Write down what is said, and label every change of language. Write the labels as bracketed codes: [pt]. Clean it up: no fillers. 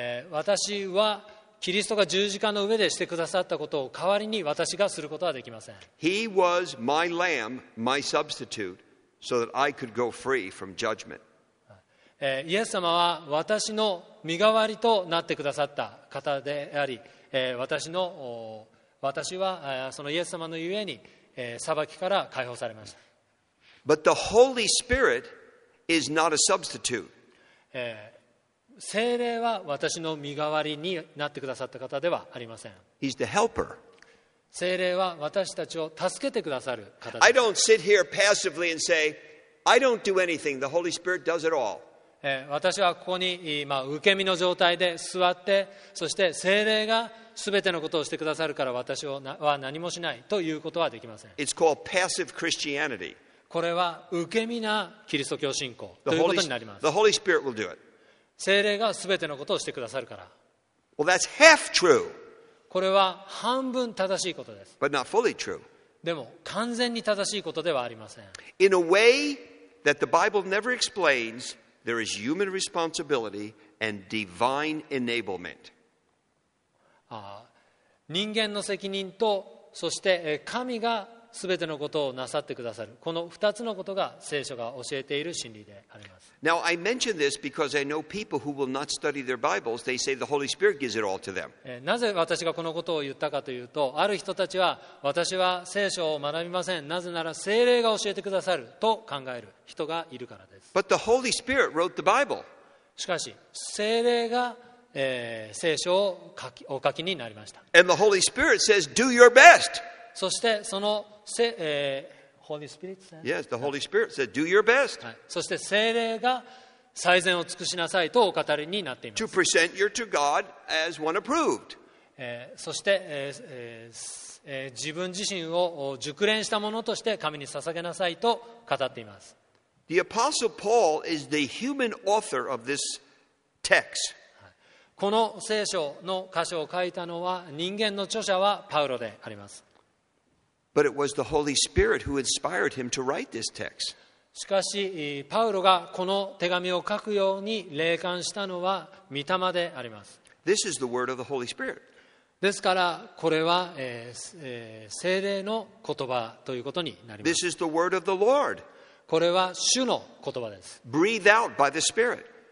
[ja] 私はキリストが十字架の上でしてくださったことを代わりに私がすることはできません。 [en] He was my lamb, my substitute, so that I could go free from judgment. [ja] イエス様は私の身代わりとなってくださった方であり、私はそのイエス様のゆえに裁きから解放されました。 [en] But the Holy Spirit is not a substitute. [ja] 聖霊は私の身代わりになってくださった方ではありません。 [en] He's the helper. [ja] 聖霊は私たちを助けてくださる方です。 [en] I don't sit here passively and say, I don't do anything. The Holy Spirit does it all. [ja] 私はここに今受け身の状態で座って、そして聖霊が全てのことをしてくださるから私は何もしないということはできません。 [en] It's called passive Christianity. [ja] これは受け身なキリスト教信仰ということになります。 [en] The Holy Spirit will do it. [ja] 聖霊が全てのことをしてくださるから。 [en] Well, that's half true. [ja] これは半分正しいことです。 [en] But not fully true. [ja] でも完全に正しいことではありません。 [en] In a way that the Bible never explains, there is human responsibility and divine enablement. [ja] 人間の責任とそして神が全てのことをなさってくださる、この2つのことが聖書が教えている真理であります。 [en] Now I mention this because I know people who will not study their Bibles, they say the Holy Spirit gives it all to them. [ja] なぜ私がこのことを言ったかというと、ある人たちは私は聖書を学びません、なぜなら聖霊が教えてくださると考える人がいるからです。 [en] But the Holy Spirit wrote the Bible. [ja] しかし聖霊が聖書を書きお書きになりました。 [en] And the Holy Spirit says, "Do your best." [ja] そしてその聖、 [en] Holy Spirit says, "Yes, the Holy Spirit said, 'Do your best.'" [ja] はい。そして聖霊が最善を尽くしなさいとお語りになっています。 [en] To present your to God as one approved. [ja] そして、自分自身を熟練したものとして神に捧げなさいと語っています。 [en] The Apostle Paul is the human author of this text. [ja] この聖書の箇所を書いたのは人間の著者はパウロであります。 [en] But it was the Holy Spirit who inspired him to write this text. [ja] しかし、パウロがこの手紙を書くように霊感したのは御霊であります。 [en] This is the word of the Holy Spirit. [ja] ですから、これは、聖霊の言葉ということになります。 [en] This is the word of the Lord. [ja] これは主の言葉です。 [en] Breathe out by the Spirit.